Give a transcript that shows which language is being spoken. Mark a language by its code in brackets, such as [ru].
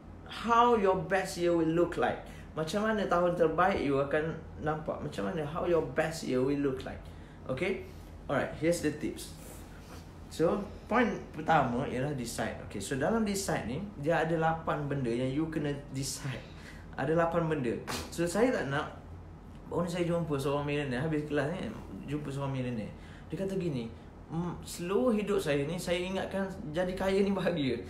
[en] how your best year will look like. [ms] Macam mana tahun terbaik you akan nampak. Macam mana [en] how your best year will look like. Okay? Alright, here's the tips. [ms] So, point pertama ialah decide. Okay, so dalam decide ni, dia ada 8 benda yang you kena decide. Ada 8 benda. So, saya tak nak, baru saya jumpa seorang millionaire, habis kelas ni, jumpa seorang millionaire. Dia kata gini, seluruh hidup saya ni, saya ingatkan jadi kaya ni bahagia.